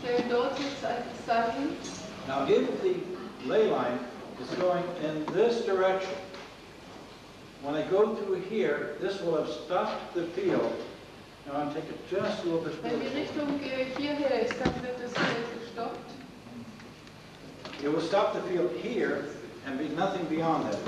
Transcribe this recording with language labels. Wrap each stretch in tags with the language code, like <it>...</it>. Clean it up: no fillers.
<en>Now, if the ley line is going in this direction, when I go through here, this will have stopped the field. Now, I'll take it just a little bit further.</en> <de>Wenn die Richtung hierher ist, dann wird das Feld gestoppt.</de> <en>It will stop the field here and be nothing beyond that.</en>